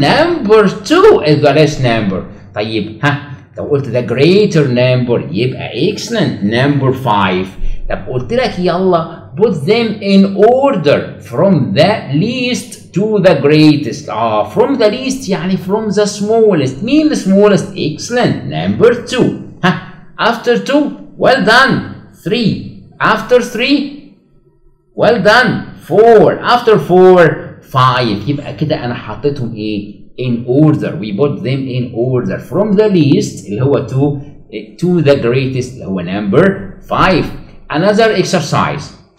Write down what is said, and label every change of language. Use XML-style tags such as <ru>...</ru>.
<en>Number 2 is the less number.</en> <ar>طيب, ها, طب قلت</ar> <en>the greater number, يبقى excellent, number 5.</en> <ar>طب قلت لك يلا,</ar> <en>put them in order from the least to the greatest. From the least يعني from the smallest. Mean the smallest? Excellent, number 2. ها, after 2, well done! 3 after 3 well done 4 after 4 5</en> <ar>يبقى كده انا حطيتهم ايه</ar> <en>in order. We put them in order from the least, اللي هو two, to the greatest, اللي هو number five. Another exercise.</en>